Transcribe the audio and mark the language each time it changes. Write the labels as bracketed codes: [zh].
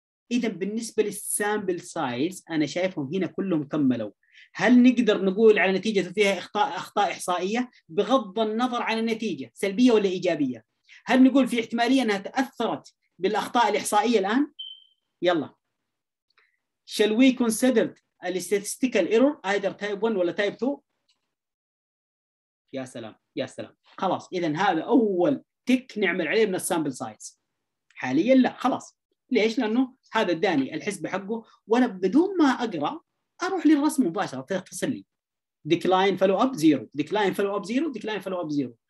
[ar] إذا بالنسبة للسامبل سايز أنا شايفهم هنا كلهم كملوا. هل نقدر نقول على نتيجة فيها أخطاء إحصائية بغض النظر عن النتيجة سلبية ولا إيجابية؟ هل نقول في احتمالية أنها تأثرت بالأخطاء الإحصائية الآن؟ يلا. [en] Shall we consider the statistical error either type 1 [ar] ولا [en] type 2؟ [ar] يا سلام يا سلام. خلاص، إذا هذا أول تك نعمل عليه من السامبل سايز. حاليا لا، خلاص. ليش؟ لأنه هذا داني الحسبة حقه، وأنا بدون ما أقرأ أروح للرسم مباشرة تختصر لي. [en] decline follow up zero، decline follow up zero، decline follow up zero.